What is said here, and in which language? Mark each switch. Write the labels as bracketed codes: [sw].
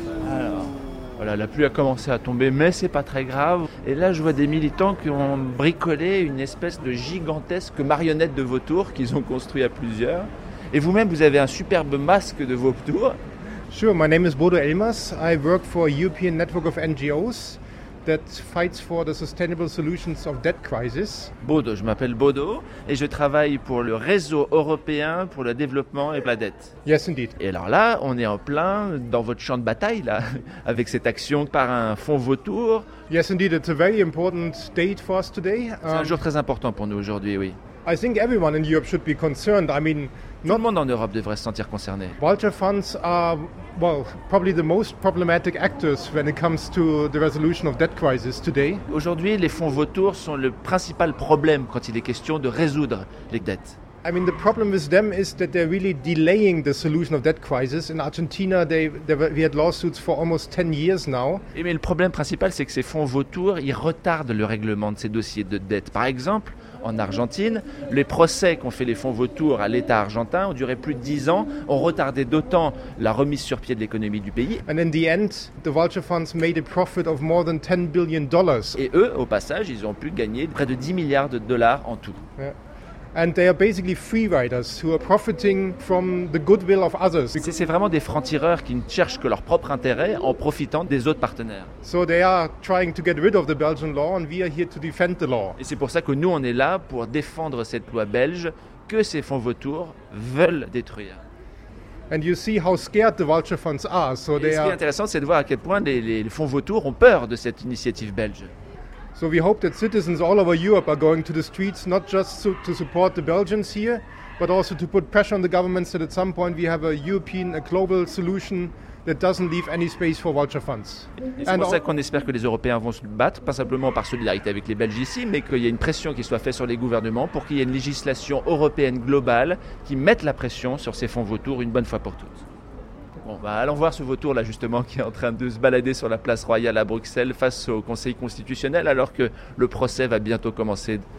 [fr] Alors, voilà, la pluie a commencé à tomber, mais c'est pas très grave. Et là, je vois des militants qui ont bricolé une espèce de gigantesque marionnette de vautour qu'ils ont construit à plusieurs. Et vous-même, vous avez un superbe masque de vautour. [en] Sure, my name is Bodo Elmas. I work for a European network of NGOs that fights for the sustainable solutions of debt crisis. [fr] Bodo, je m'appelle Bodo et je travaille pour le réseau européen pour le développement et la dette. [en] Yes, indeed. [fr] Et alors là, on est en plein dans votre champ de bataille là, avec cette action par un fonds vautour. [en] Yes, indeed, it's a very important date for us today. [fr] C'est un jour très important pour nous aujourd'hui, oui. [en] I think everyone in Europe should be concerned. I mean, [fr] tout le monde en Europe devrait se sentir concerné. [en] Vulture funds are, well, probably the most problematic actors when it comes to the resolution of debt crisis today. [fr] Aujourd'hui, les fonds vautours sont le principal problème quand il est question de résoudre les dettes. [en] I mean, the problem with them is that they're really delaying the solution of debt crisis. In Argentina, we had lawsuits for almost 10 years now. [fr] Et mais le problème principal, c'est que ces fonds vautours, ils retardent le règlement de ces dossiers de dette. Par exemple, en Argentine, les procès qu'ont fait les fonds vautours à l'État argentin ont duré plus de 10 ans, ont retardé d'autant la remise sur pied de l'économie du pays. [en] And in the end, the vulture funds made a profit of more than $10 billion. [fr] Et eux, au passage, ils ont pu gagner près de 10 milliards de dollars en tout. [en] Yeah. And they are basically free riders who are profiting from the goodwill of others. [fr] C'est vraiment des francs-tireurs qui ne cherchent que leur propre intérêt en profitant des autres partenaires. [en] So they are trying to get rid of the Belgian law and we are here to defend the law. [fr] Et c'est pour ça que nous on est là pour défendre cette loi belge que ces fonds vautours veulent détruire. [en] And you see how scared the vulture funds are. So they are. [fr] Ce qui est intéressant, c'est de voir à quel point les fonds vautours ont peur de cette initiative belge. [en] So we hope that citizens all over Europe are going to the streets not just to support the Belgians here, but also to put pressure on the governments that at some point we have a European, a global solution that doesn't leave any space for vulture funds. [fr] Et c'est pour ça qu'on espère que les Européens vont se battre, pas simplement par solidarité avec les Belges ici, mais qu'il y ait une pression qui soit faite sur les gouvernements pour qu'il y ait une législation européenne globale qui mette la pression sur ces fonds vautours une bonne fois pour toutes. Bon, bah allons voir ce vautour là justement qui est en train de se balader sur la place Royale à Bruxelles face au Conseil constitutionnel alors que le procès va bientôt commencer.